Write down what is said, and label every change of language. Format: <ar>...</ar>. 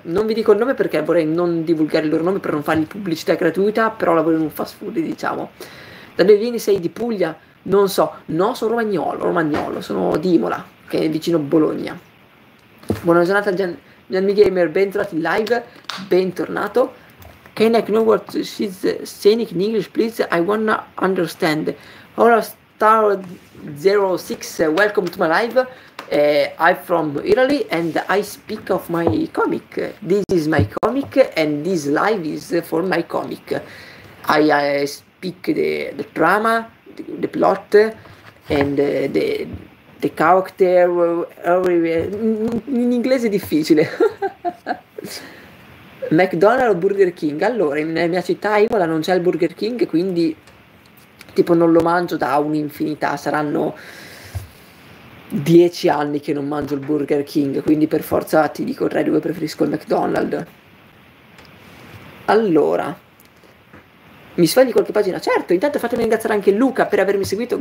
<it>Non vi dico il nome perché vorrei non divulgare il loro nome per non fargli pubblicità gratuita, però lavoro in un fast food, diciamo. Da dove vieni? Sei di Puglia? Non so. No, sono romagnolo, sono di Imola, che è vicino Bologna. Buona giornata, GianniGamer, bentornati in live, bentornato.</it> <en>Can I know what she's saying in English, please? I wanna understand. Ora star 06, welcome to my live. I'm from Italy and I speak of my comic. This is my comic and this live is for my comic. I speak the drama, the plot, and the character.</en> <it>In inglese è difficile. McDonald's o Burger King? Allora, nella mia città, Imola, non c'è il Burger King, quindi tipo non lo mangio da un'infinità, saranno 10 anni che non mangio il Burger King, quindi per forza ti dico tra i due preferisco il McDonald's. Allora, mi sfogli qualche pagina? Certo, intanto fatemi ringraziare anche Luca per avermi seguito.</it>